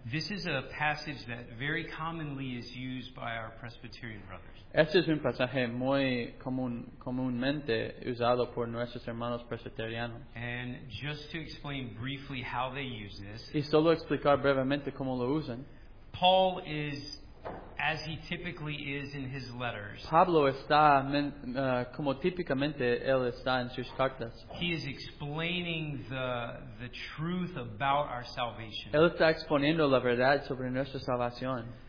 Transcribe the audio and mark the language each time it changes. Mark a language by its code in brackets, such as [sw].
[en] This is a passage that very commonly is used by our Presbyterian brothers. [es] Este es un pasaje muy comúnmente usado por nuestros hermanos presbiterianos. [en] And just to explain briefly how they use this. [es] Y solo explicar brevemente cómo lo usan. [en] Paul is, as he typically is in his letters. [es] Pablo está como típicamente él está en sus cartas. [en] He is explaining the truth about our salvation. [es] Él está exponiendo la verdad sobre nuestra salvación.